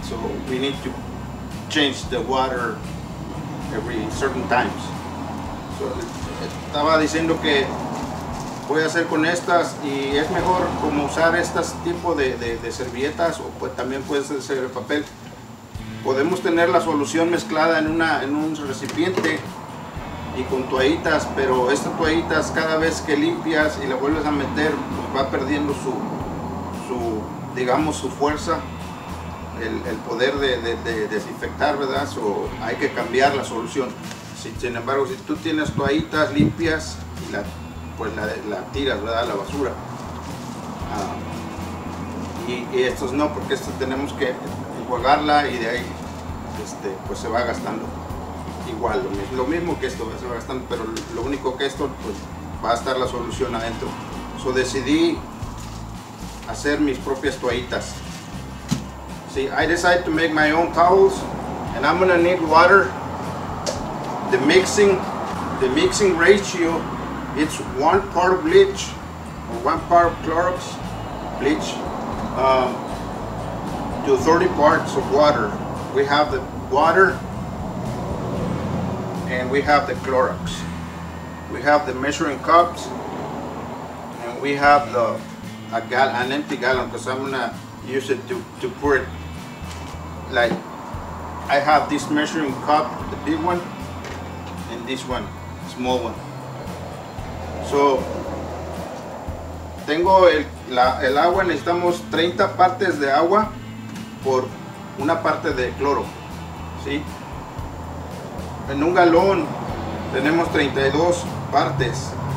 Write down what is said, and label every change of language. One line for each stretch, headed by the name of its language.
English: So we need to change the water every certain times.
Spanish: So estaba diciendo que voy a hacer con estas, y es mejor como usar estas tipo de servilletas, o pues también puede ser el papel. Podemos tener la solución mezclada en un recipiente y con toallitas, pero estas toallitas, cada vez que limpias y la vuelves a meter, pues va perdiendo su fuerza, el poder de desinfectar, ¿verdad? So, hay que cambiar la solución. Sin embargo, si tú tienes toallitas limpias, la tiras, ¿verdad?, a la basura. Y estos no, porque estos tenemos que enjuagarla, y de ahí pues se va gastando. Igual, lo mismo que esto, se va gastando, pero lo único que esto, pues va a estar la solución adentro. So, decidí hacer mis propias toallitas.
English: See, I decided to make my own towels, and I'm gonna need water. The mixing ratio, it's one part of bleach or one part of Clorox bleach to 30 parts of water. We have the water and we have the Clorox. We have the measuring cups, and we have an empty gallon, because I'm gonna use it to pour it. Like, I have this measuring cup, the big one, and this one, small one.
Spanish: So, tengo el agua, necesitamos 30 partes de agua por una parte de cloro, ¿sí? En un galón tenemos 32 partes.